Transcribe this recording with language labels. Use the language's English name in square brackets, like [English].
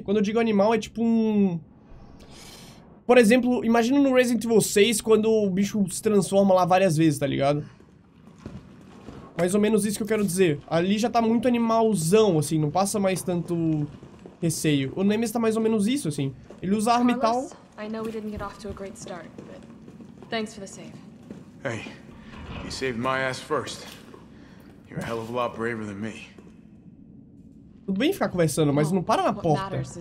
[Portuguese] Quando eu digo animal, é tipo um... Por exemplo, imagina no Resident Evil 6 quando o bicho se transforma lá várias vezes, tá ligado? Mais ou menos isso que eu quero dizer. Ali já tá muito animalzão, assim, não passa mais tanto receio. O Nemesis tá mais ou menos isso, assim. Ele usa arma e tal. [English] I know we didn't get off to a great start, but thanks for the save. Hey, you saved my ass first. You're a hell of a lot braver than me. [Portuguese] Tudo bem ficar conversando, mas não para na porta.